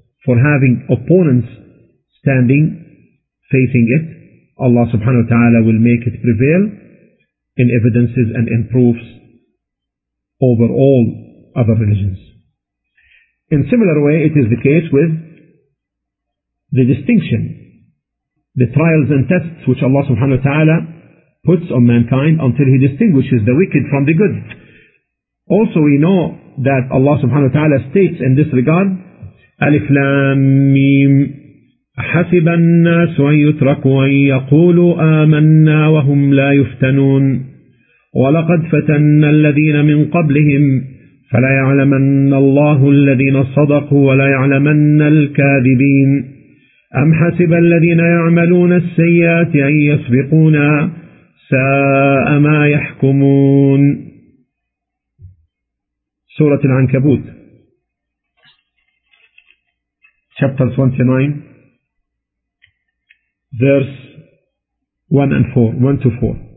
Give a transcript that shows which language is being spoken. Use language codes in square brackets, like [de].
[en] For having opponents standing facing it, Allah subhanahu wa ta'ala will make it prevail in evidences and in proofs over all other religions. In similar way, it is the case with the distinction, the trials and tests which Allah subhanahu wa ta'ala puts on mankind until He distinguishes the wicked from the good. Also, we know that Allah subhanahu wa ta'ala states in this regard, [ar] Alif Lam Mim, حسب الناس أن يتركوا أن يقولوا آمنا وهم لا يفتنون ولقد فتن الذين من قبلهم فلا يعلمن الله الذين صدقوا ولا يعلمن الكاذبين أم حسب الذين يعملون السيئات أن يسبقونا ساء ما يحكمون. [en] سورة العنكبوت, chapter 29, verse 1 to 4.